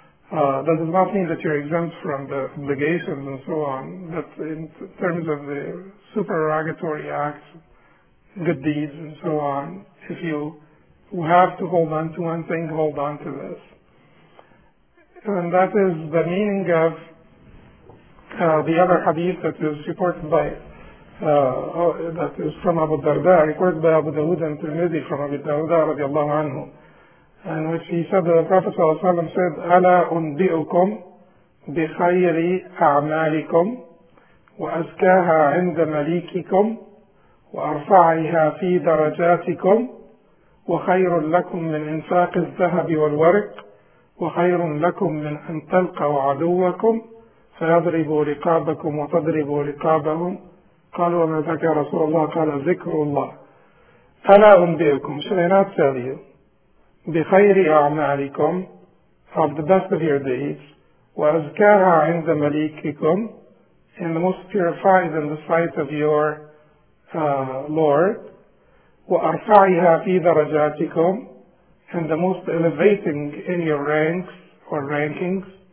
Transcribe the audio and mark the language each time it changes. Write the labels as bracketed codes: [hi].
[en] That does not mean that you're exempt from the obligations and so on, but in terms of the supererogatory acts, good deeds and so on, if you have to hold on to one thing, hold on to this. And that is the meaning of the other hadith that is reported by, that is from Abu Darda, reported by Abu Dawud and Tirmidhi from Abu Darda radiallahu anhu. And which he said, the Prophet ﷺ said, [ar] أَلَا أُنْبِئُكُمْ بِخَيْرِ أَعْمَالِكُمْ وَأَزْكَاهَا عِنْدَ مَلِيكِكُمْ وَأَرْفَعِهَا فِي دَرَجَاتِكُمْ وَخَيْرٌ لَكُمْ مِنْ إِنْفَاقِ الذَّهَبِ وَالْوَرِقِ وَخَيْرٌ لَكُمْ مِنْ أَنْ تَلْقَوْا عَدُوَّكُمْ فَيَضْرِبُوا رِقَابَكُمْ وَتَضْرِبُوا رِقَابَهُمْ. قَالُوا وَمَا ذَكَرَ رَسُولُ اللَّهِ قَالَ ذِكْرُ اللَّهِ. أَلَا أُنْبِئُكُمْ, [en] should I not tell you, [ar] بِخَيْرِ أَعْمَالِكُمْ, [en] of the best of your deeds, [ar] وَأَزْكَاهَا عِنْدَ مَلِيكِكُمْ, [en] and the most purified in the sight of your Lord, [ar] وَأَرْفَعِهَا فِي دَرَجَاتِكُمْ, [en] and the most elevating in your ranks or rankings,